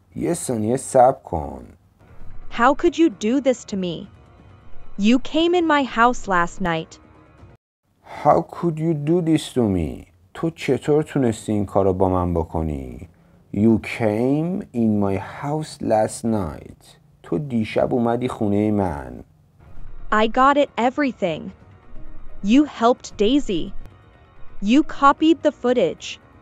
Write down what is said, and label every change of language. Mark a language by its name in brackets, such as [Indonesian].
[Persian] یه ثانیه صبر کن. [English] How could you do this to me? You came in my house last night. How could you do this to me? [Persian] تو چطور تونستی این کارو با من بکنی؟ [English] You came in my house last night. [Persian] تو دیشب اومدی خونه من. [English] I got it everything. You helped Daisy. You copied the footage.